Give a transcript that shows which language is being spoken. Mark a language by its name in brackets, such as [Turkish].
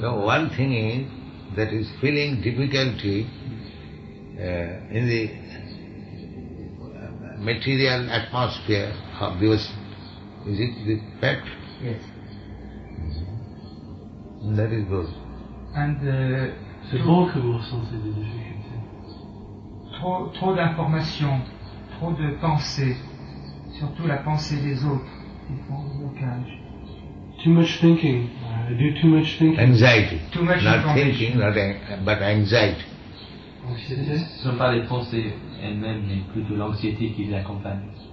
[English] So one thing is that he's feeling difficulty in the material atmosphere of this. Is it the fact? Yes. That is good. And the bulk of all sorts of difficulty. [French] Trop d'informations, trop de pensées, surtout la pensée des autres, qui font le blocage. [English] Too much thinking. I do too much thinking. Anxiety. Too much not thinking, not but anxiety. [French] Ce ne sont pas les pensées elles-mêmes, mais plutôt l'anxiété qui les accompagne.